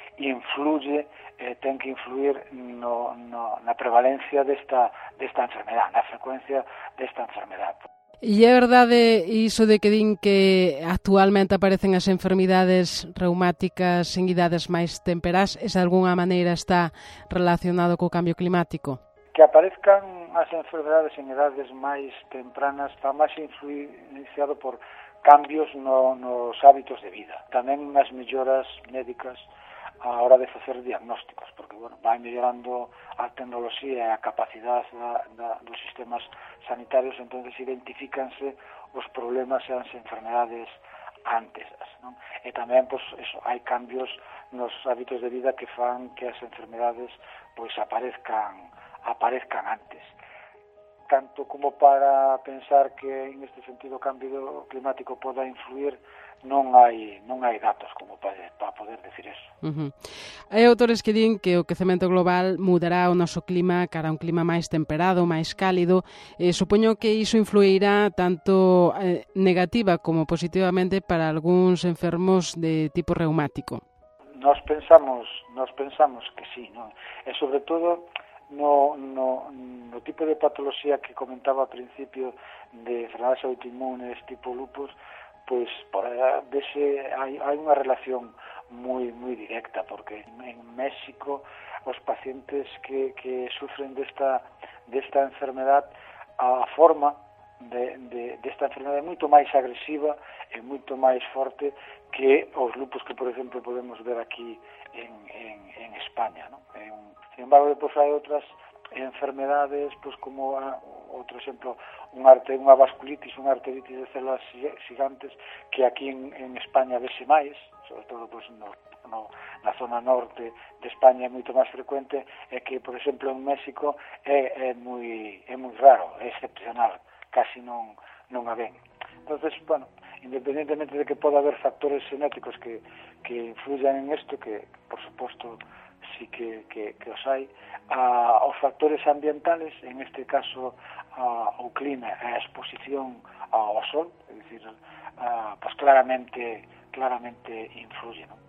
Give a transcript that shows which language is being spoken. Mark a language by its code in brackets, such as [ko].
[gl] Influye, ten que influir na prevalencia desta enfermedad, na frecuencia desta enfermedad. E é verdade iso de que din que actualmente aparecen as enfermidades reumáticas en idades máis temperás, e de alguna maneira está relacionado co cambio climático? Que aparezcan as enfermedades en idades máis tempranas está máis influenciado por cambios nos hábitos de vida. Tamén nas melloras médicas a hora de facer diagnósticos, porque, bueno, vai mellorando a tecnoloxía e a capacidade dos sistemas sanitarios, entón identifícanse os problemas e as enfermedades antes, non? E tamén, pois, eso, hai cambios nos hábitos de vida que fan que as enfermedades, pois, aparezcan antes. Tanto como para pensar que, en este sentido, o cambio climático poda influir, non hai datos como para poder decir eso. Uh-huh. Hai autores que din que o quecemento global mudará o noso clima cara a un clima máis temperado, máis cálido. Supoño que iso influirá tanto negativa como positivamente para algúns enfermos de tipo reumático. Nós pensamos que sí, ¿no? E sobre todo no tipo de patoloxía que comentaba ao principio de enfermedades autoinmunes tipo lupus, [es] pues por ese hay una relación muy muy directa, porque en México los pacientes que sufren de esta enfermedad, a forma de esta enfermedad es mucho más agresiva y mucho más fuerte que los lupus que, por ejemplo, podemos ver aquí en España, ¿no? Sin embargo, pues hay otras enfermedades, pues como otro ejemplo, [gl] unha vasculitis, unha arteritis de células xigantes, que aquí en España vese máis, sobre todo pues, na zona norte de España é moito máis frecuente, e que, por exemplo, en México é moi raro, é excepcional, casi non a ven. Entón, bueno, independentemente de que poda haber factores genéticos que influyan en isto, que, por suposto, sí que os hai, os factores ambientales, en este caso o clima, a exposición ao sol, es decir, pues claramente influye, ¿no?